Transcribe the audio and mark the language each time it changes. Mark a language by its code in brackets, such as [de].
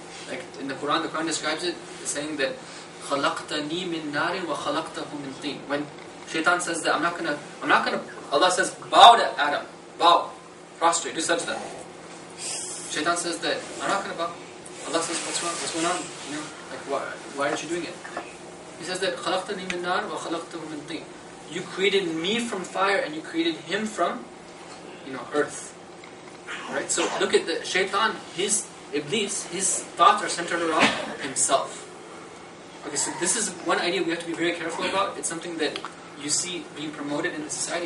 [en] Like in the Quran describes it saying that خَلَقْتَنِي مِن نَارٍ وَخَلَقْتَهُ مِن طِينٍ. When shaitan says that, I'm not gonna, Allah says, bow to Adam, bow, prostrate, do sajda. Shaitan says that, I'm not gonna bow. Allah says, what's wrong, what's going on? You know, like, why aren't you doing it? [ar] He says that, خَلَقْتَنِي مِن نَارٍ وَخَلَقْتَهُ مِن طِينٍ. [en] You created me from fire and you created him from, you know, earth. Right? So look at the shaitan, his iblis, his thoughts are centered around himself. Okay, so this is one idea we have to be very careful about. It's something that you see being promoted in the society.